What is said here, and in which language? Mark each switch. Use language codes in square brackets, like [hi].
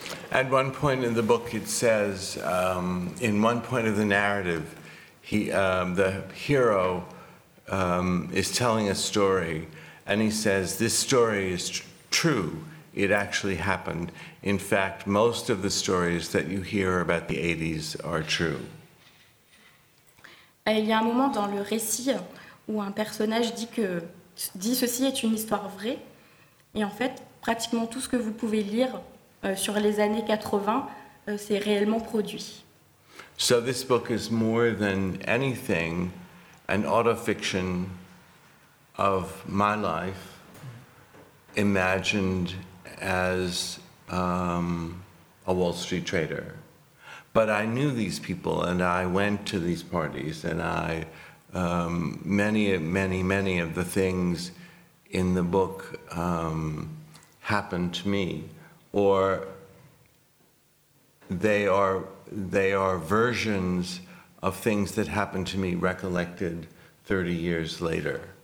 [en] At one point in the book, it says, in one point of the narrative, the hero is telling a story, and he says, this story is true. It actually happened. In fact, most of the stories that you hear about the 80s are true. [fr] Il y a un moment dans le récit où un personnage dit ceci est une histoire vraie. Et en fait, pratiquement tout ce que vous pouvez lire sur les années 80, c'est réellement produit. [en] So this book is more than anything an autofiction of my life imagined as a Wall Street trader. But I knew these people, and I went to these parties, and I many of the things in the book happened to me, or they are versions of things that happened to me recollected 30 years later.